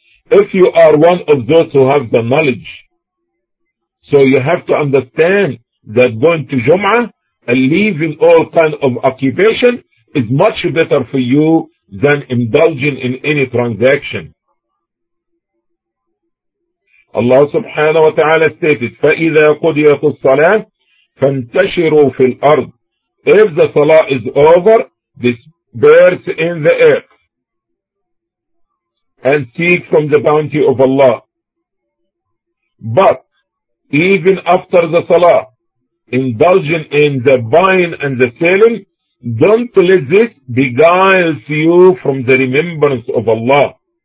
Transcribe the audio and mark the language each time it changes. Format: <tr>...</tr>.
<en>If you are one of those who have the knowledge, so you have to understand that going to Jum'ah and leaving all kind of occupation is much better for you than indulging in any transaction.</en> <ar>الله سبحانه وتعالى stated فإذا قضيت الصلاة فانتشروا في الأرض.</ar> <en>If the salah is over, disperse in the earth and seek from the bounty of Allah. But even after the salah, indulging in the buying and the selling, don't let this beguile you from the remembrance of Allah.</en>